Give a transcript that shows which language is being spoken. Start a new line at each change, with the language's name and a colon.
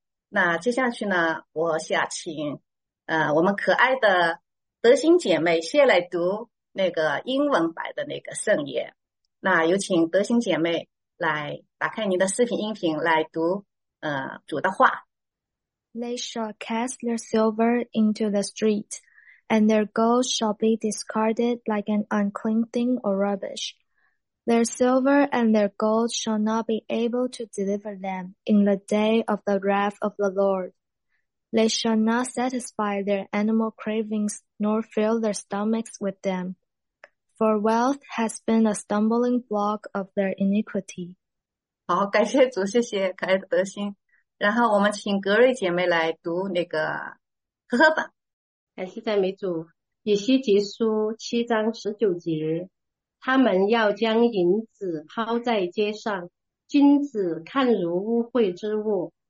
Chinese: 那接下去呢，我想请我们可爱的德馨姐妹先来读那个英文版的那个圣言。那有请德馨姐妹来打开您的视频音频来读主的话。
English: They shall cast their silver into the street, and their gold shall be discarded like an unclean thing or rubbish. Their silver and their gold shall not be able to deliver them in the day of the wrath of the Lord. They shall not satisfy their animal cravings nor fill their stomachs with them, for wealth has been a stumbling block of their iniquity.
Chinese: 好，感谢主，谢谢可爱的德馨。然后我们请格瑞姐妹来读那个和合本。感谢赞美主，以西结书7章19节，他们要将银子抛在街上，金子看如污秽之物。